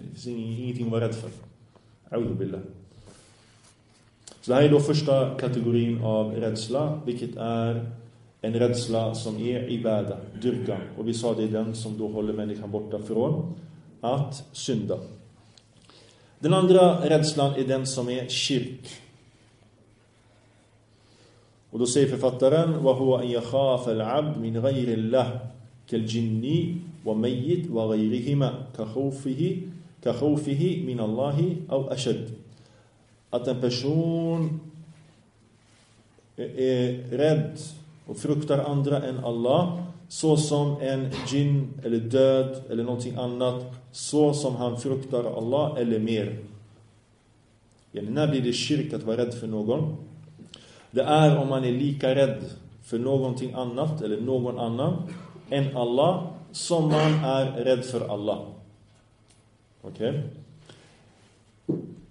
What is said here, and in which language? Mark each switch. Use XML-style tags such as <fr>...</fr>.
<sv>Det finns ingenting att vara rädd för.</sv> <ar>A'udhu billah.</ar> <sv>Så det här är då första kategorin av rädsla, vilket är en rädsla som är ibada, dyrkan. Och vi sa det är den som då håller människan borta från att synda. Den andra rädslan är den som är shirk. Och då säger författaren</sv> <ar>وَهُوَ أَنْ يَخَافَ الْعَبْدْ مِنْ غَيْرِ اللَّهِ كَالْجِنِّ وَمَيِّتْ وَغَيْرِهِمَا كَخَوْفِهِ مِنَ اللَّهِ أَوْ أَشَدْ.</ar> <sv>Att en person är rädd och fruktar andra än Allah, så som en jinn eller död eller någonting annat, så som han fruktar Allah eller mer. Ja, när blir det shirk att vara rädd för någon? Det är om man är lika rädd för någonting annat eller någon annan än Allah som man är rädd för Allah. Okej? Okay?</sv>